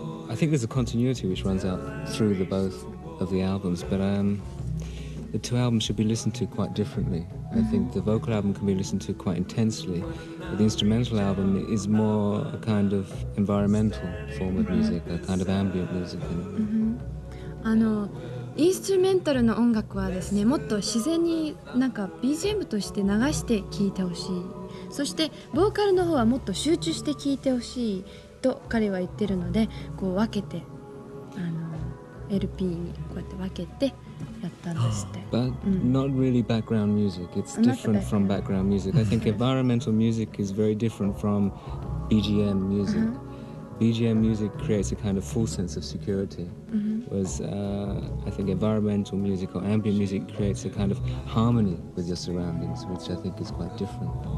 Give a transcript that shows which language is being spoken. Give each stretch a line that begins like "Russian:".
English: I think there's a continuity which runs out through the both of the albums, but the two albums should be listened to quite differently. I think the vocal album can be listened to quite intensely, but the instrumental album is more a kind of environmental form of music, a kind of ambient music.
Japanese: あのインストゥルメンタルの音楽はですね、もっと自然になんか BGM として流して聴いてほしい、そしてボーカルの方はもっと集中して聴いてほしいと彼は言ってるので、こう分けてあの LP にこうやって分けてやったんですって。
English: But not really background music. It's different from background music. I think environmental music is very different from BGM music. BGM music creates a kind of full sense of security, whereas I think environmental music or ambient music creates a kind of harmony with your surroundings, which I think is quite different.